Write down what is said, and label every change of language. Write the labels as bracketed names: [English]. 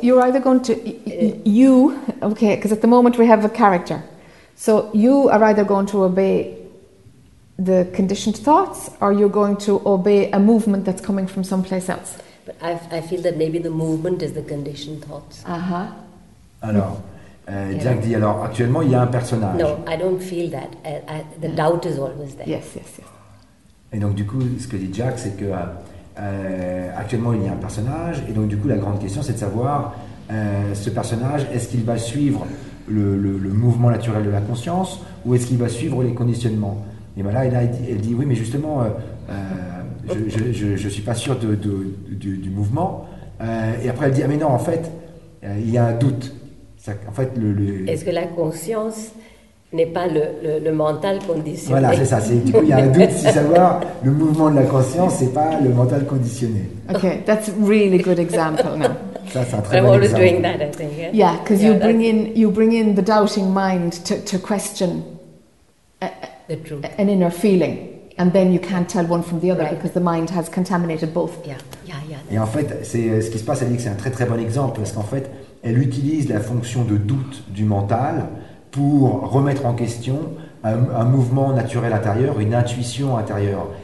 [English] You're either going to you okay, because at the moment we have a character. So you are either going to obey the conditioned thoughts, or you're going to obey a movement that's coming from someplace else. But I feel that maybe the movement is the conditioned thoughts. Uh-huh. [French] Alors, Jack dit alors actuellement il y a un personnage. [English] No, I don't feel that. The doubt is always there. Yes. [French] Et donc du coup, ce que dit Jack, c'est que actuellement il y a un personnage, et donc du coup la grande question c'est de savoir ce personnage, est-ce qu'il va suivre le mouvement naturel de la conscience, ou est-ce qu'il va suivre les conditionnements? Et ben là elle dit oui, mais justement je suis pas sûr du mouvement, et après elle dit ah mais non, en fait il y a un doute. En fait, est-ce que la conscience n'est pas le mental conditionné. Voilà, c'est ça. Du coup, il y a un doute si savoir le mouvement de la conscience, c'est pas le mental conditionné. [English] Okay, that's a really good example now. [French] Ça, c'est un très bon exemple. [English] I'm always doing that, I think. Yeah, because you bring in the doubting mind to question the truth, an inner feeling, and then you can't tell one from the other, right, because the mind has contaminated both. Yeah. [French] Et en fait, c'est ce qui se passe. Elle dit que c'est un très très bon exemple parce qu'en fait, elle utilise la fonction de doute du mental pour remettre en question un mouvement naturel intérieur, une intuition intérieure.